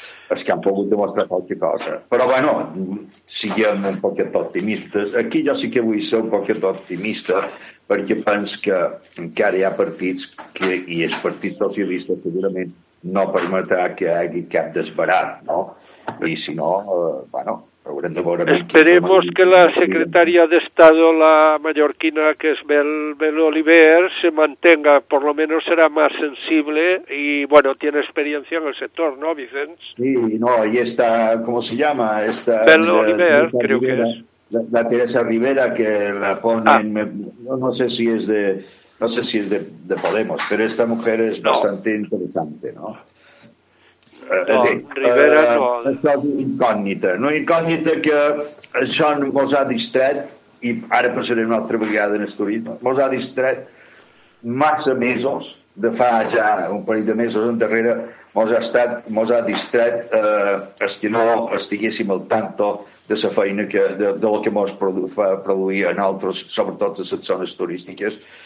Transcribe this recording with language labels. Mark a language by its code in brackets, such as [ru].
[ca] És que han pogut demostrar qualque cosa. Però, bueno, siguem un poquet optimistes. Aquí jo sí que vull ser un poquet optimista, perquè penso que encara hi ha partits que, i el Partit Socialista segurament no permetrà que hi hagi cap desbarat, no? I si no, bueno... [es] Esperemos que la secretaria de Estado, la mallorquina, que es Bel Oliver, se mantenga, por lo menos será más sensible y, bueno, tiene experiencia en el sector, ¿no, Vicenç? Sí, no, y esta, ¿cómo se llama? Esta, Bel Oliver, creo que es. La Teresa Rivera, que la pone, no sé si es de Podemos, pero esta mujer es bastante interesante, ¿no? Rivera, [ca] això és una incògnita que això ens ha distret, i ara passarem una altra vegada en el turisme, ens ha distret massa mesos, de fa ja un parell de mesos endarrere, ens ha distret els que no estiguéssim al tanto de la feina que, de lo que ens fa produir a nosaltres, sobretot a les zones turístiques.